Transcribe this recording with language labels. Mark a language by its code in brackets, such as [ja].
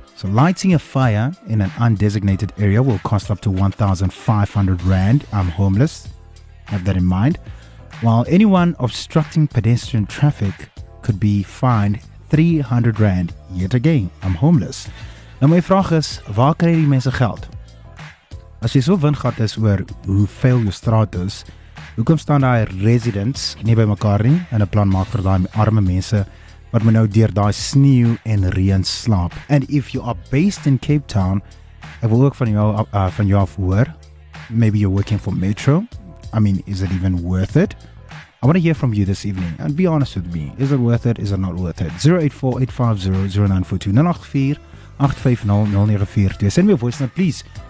[en] So lighting a fire in an undesignated area will cost up to 1,500 rand. I'm homeless. Have that in mind. While anyone obstructing pedestrian traffic could be fined 300 rand. Yet again, I'm homeless. [af] Nou my vraag is, waar kry die mense geld? As jy so windgat is oor hoe vuil jou straat is, hoekom staan daai residents nie by mekaar nie en 'n plan maak vir daai arme mense wat moet nou deur daai sneeu en reën slaap? [en] And if you are based in Cape Town, [af] ek wil ook van jou af hoor, [en] maybe you're working for Metro. I mean, is it even worth it? I want to hear from you this evening and be honest with me. Is it worth it? Is it not worth it? 084-850-0942 084-850-094. Send me a voice note, please.